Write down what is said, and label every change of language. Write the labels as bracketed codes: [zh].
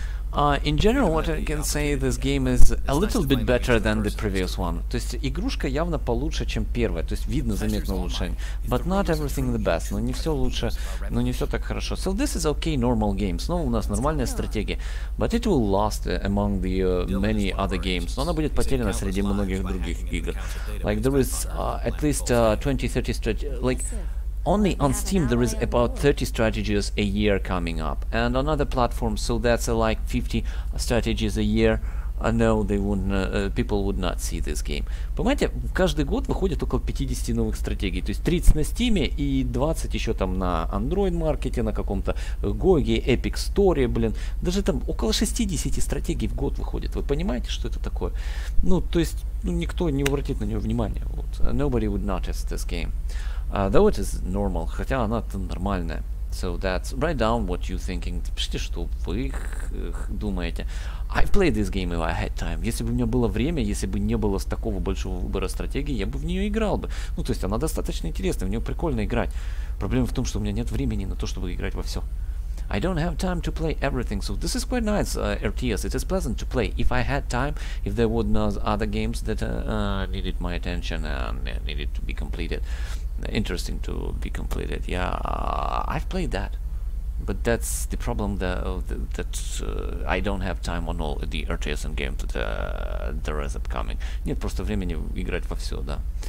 [en] In general, what I can say, this game is a little bit better than the previous one. [ru] То есть игрушка явно получше, чем первая. То есть видно, заметно улучшение. [en] But not everything the best. [ru] Но не все лучше, но не все так хорошо. [en] So this is okay, normal game. [ru] Снова у нас нормальная стратегия. [en] But it will last among the many other games. [ru] Но она будет потеряна среди многих других игр. [en] Like there is at least 20-30 strategies. Like only on Steam there is about 30 strategies a year coming up, and on other platforms, so that's like 50 strategies a year. No, they wouldn't. People would not see this game. [ru] Понимаете, каждый год выходит около 50 новых стратегий, то есть 30 на Steam и 20 еще там на Android маркете, на каком-то GOG, Epic Story, блин, даже там около 60 стратегий в год выходит. Вы понимаете, что это такое? Ну, то есть, ну, никто не обратит на нее внимания. [en] Вот. Nobody would notice this game. Though it is normal, [ru] хотя она-то нормальная. [en] So that's, write down what you thinking. [ru] Пишите, что вы думаете. [en] I played this game if I had time. [ru] Если бы у меня было время, если бы не было такого большого выбора стратегии, я бы в нее играл бы. Ну, то есть она достаточно интересная, в нее прикольно играть. Проблема в том, что у меня нет времени на то, чтобы играть во все. [en] I don't have time to play everything, so this is quite nice, RTS. It is pleasant to play. If I had time, if there were no other games that needed my attention and needed to be completed. Interesting to be completed. Yeah, I've played that, but that's the problem that I don't have time on all the RTS and games that there is upcoming. [ru] Нет просто времени играть во все, да.